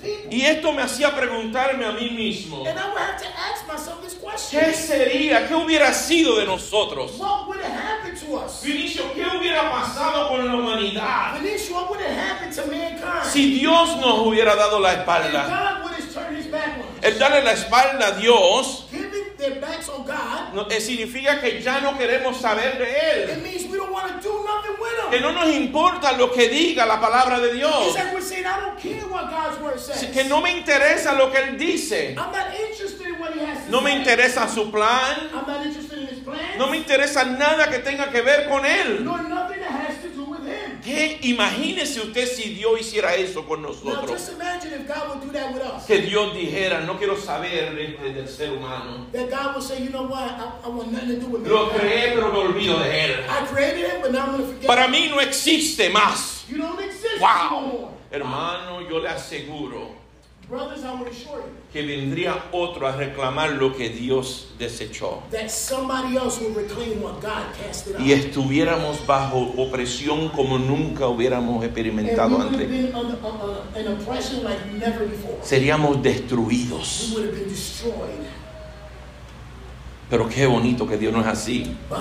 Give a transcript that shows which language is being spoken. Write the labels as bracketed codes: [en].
[es] Y esto me hacía preguntarme a mí mismo. [en] And I would have to ask myself this question. [es] ¿Qué sería? ¿Qué hubiera sido de nosotros? [en] What would have happened to us? [es] Vinicio, ¿qué hubiera pasado con la humanidad? [en] Vinicio, what would have happened to mankind? [es] Si Dios nos hubiera dado la espalda. [en] If God would have turned his back on us. [es] El darle la espalda a Dios. [en] Giving their backs on God. [es] No, significa que ya no queremos saber de él. [en] It means we don't want to do nothing with him. [es] Que no nos importa lo que diga la palabra de Dios. [en] It's like we're saying, I don't care what God's word says. [es] Que no me interesa lo que él dice. [en] I'm not interested in what he has to say. [es] No me interesa su plan. [en] I'm not interested in his plan. [es] No me interesa nada que tenga que ver con él. [en] Nor nothing that has to do with him. [es] ¿Qué? Imagínese usted si Dios hiciera eso con nosotros. [en] Now, just imagine if God would do that with us. [es] Que Dios dijera, no quiero saber del ser humano. [en] That God would say, you know what, I want nothing to do with him. [es] Lo creé, pero me olvido de él. [en] I created him, but now I'm going to forget. [es] Para mí no existe más. [en] You don't exist wow. anymore. [es] Hermano, yo le aseguro [en] brothers, I will assure you, [es] que vendría otro a reclamar lo que Dios desechó. [en] That somebody else will reclaim what God casted out. [es] Y estuviéramos bajo opresión como nunca hubiéramos experimentado antes. [en] An oppression like never before. [es] Seríamos destruidos. [en] We would have been destroyed. [es] Pero qué bonito que Dios no es así.